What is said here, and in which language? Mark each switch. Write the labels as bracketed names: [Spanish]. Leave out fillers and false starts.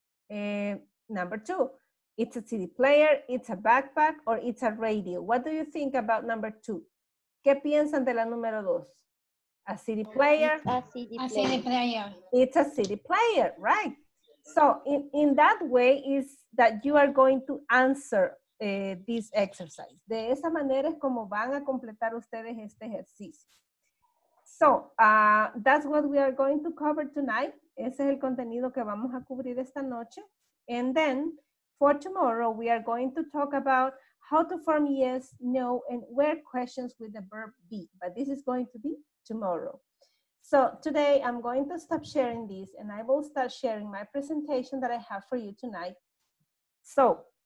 [English] Number two, it's a CD player, it's a backpack, or it's a radio. What do you think about number two? [Spanish] ¿Qué piensan de la número dos? [English] A CD player? It's a CD player. It's a CD player, right? So, in that way is that you are going to answer this exercise. [Spanish] De esa manera es como van a completar ustedes este ejercicio. [English] So, that's what we are going to cover tonight. [Spanish] Ese es el contenido que vamos a cubrir esta noche. [English] And then, for tomorrow, we are going to talk about how to form yes, no, and where questions with the verb be. But this is going to be tomorrow. So, today I'm going to stop sharing this and I will start sharing my presentation that I have for you tonight. So,